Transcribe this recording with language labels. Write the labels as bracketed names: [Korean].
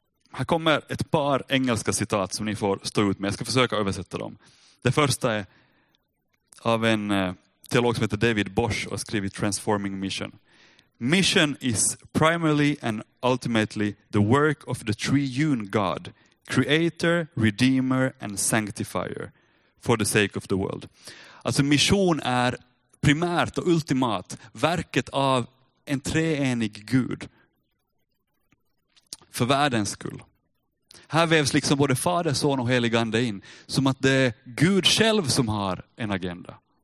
[Swedish] Här kommer ett par engelska citat som ni får stå ut med. Jag ska försöka översätta dem. Det första är av en teolog som heter David Bosch och har skrivit Transforming Mission. [English] Mission is primarily and ultimately the work of the triune God, creator, redeemer and sanctifier for the sake of the world. [Swedish] Alltså mission är primärt och ultimat verket av en treenig Gud. För världens skull. Här vävs liksom både Fader, Son och Helige Ande in. Som att det är Gud själv som har en agenda.